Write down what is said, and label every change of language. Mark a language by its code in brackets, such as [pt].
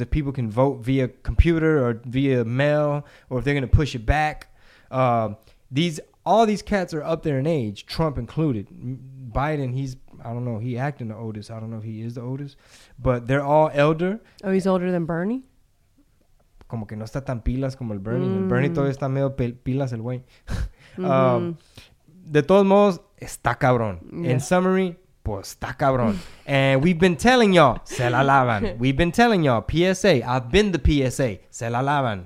[en] If people can vote via computer or via mail, or if they're going to push it back. All these cats are up there in age, Trump included. Biden, he's I don't know. He acting the oldest. I don't know if he is the oldest, but they're all elder. Oh, he's older than Bernie? [es] Como que no está tan pilas como el Bernie. Mm. El Bernie todavía está medio pilas el güey. Mm-hmm. De todos modos, está cabrón. Yeah. [en] In summary, [es] pues está cabrón. [en] And we've been telling y'all, [es] se la lavan. [en] We've been telling y'all, PSA, I've been the PSA, [es] se la lavan.